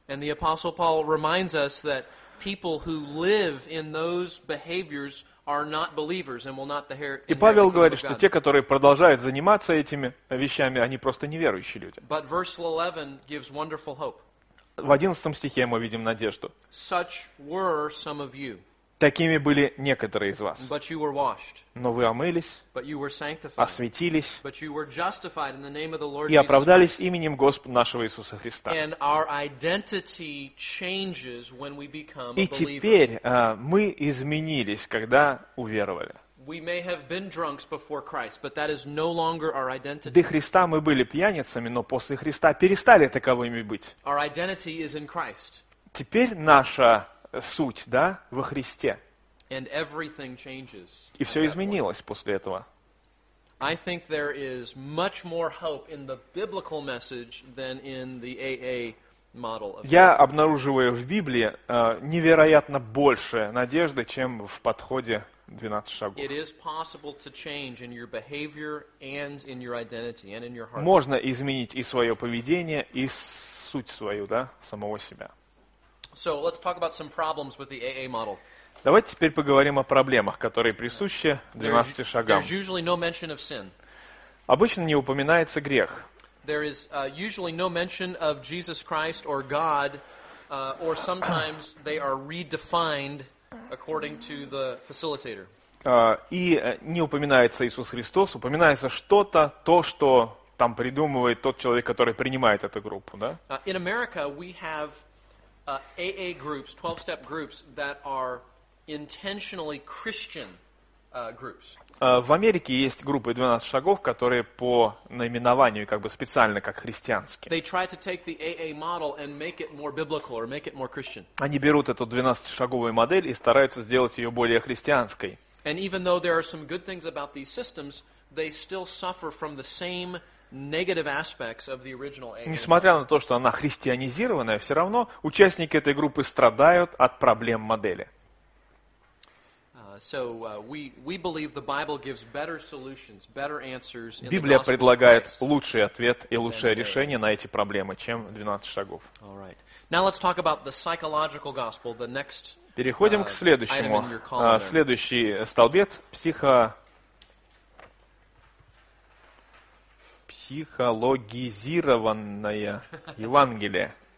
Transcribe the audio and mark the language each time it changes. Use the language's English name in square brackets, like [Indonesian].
[English] And the Apostle Paul reminds us that people who live in those behaviors are not believers and will not inherit the kingdom of God. [Russian] И Павел говорит, что те, которые продолжают заниматься этими вещами, они просто неверующие люди. [English] But verse 11 gives wonderful hope. [Russian] В 11 стихе мы видим надежду. [English] Such were some of you. [Russian] Такими были некоторые из вас. Но вы омылись, освятились и оправдались именем Господа нашего Иисуса Христа. И теперь мы изменились, когда уверовали. [English] We may have been drunks before Christ, but that is no longer our identity. [Russian] До Христа мы были пьяницами, но после Христа перестали таковыми быть. [English] Our identity is in Christ. [Russian] Теперь наша суть, да, во Христе. [English] And everything changes. [Russian] И все изменилось после этого. [English] I think there is much more hope in the biblical message than in the AA model. [Russian] Я обнаруживаю в Библии невероятно больше надежды, чем в подходе 12 шагов. [English] It is possible to change in your behavior and in your identity and in your heart. [Russian] Можно изменить и свое поведение, и суть свою, да, самого себя. [English] So let's talk about some problems with the AA model. [Russian] Давайте теперь поговорим о проблемах, которые присущи 12 шагам. [English] There's usually no mention of sin. [Russian] Обычно не упоминается грех. [English] There is usually no mention of Jesus Christ or God, or sometimes they are redefined according to the facilitator. [Russian] И не упоминается Иисус Христос, упоминается что-то, то, что там придумывает тот человек, который принимает эту группу, да? [English] In America we have AA groups, 12-step groups that are intentionally Christian groups. [Russian] В Америке есть группы 12 шагов, которые по наименованию как бы специально как христианские. [English] They try to take the AA model and make it more biblical or make it more Christian. [Russian] Они берут эту 12-шаговую модель и стараются сделать ее более христианской. [English] And even though there are some good things about these systems, they still suffer from the same negative aspects of the original AA. [Russian] Несмотря на то, что она христианизированная, все равно участники этой группы страдают от проблем модели. [English] So we believe the Bible gives better solutions, better answers in the [Russian] Библия предлагает лучший ответ и лучшее решение на эти проблемы, чем 12 шагов. [English] All right. Now let's talk about the psychological gospel, the next. [Russian] Переходим к следующему. Следующий столбец психологизированное Евангелие.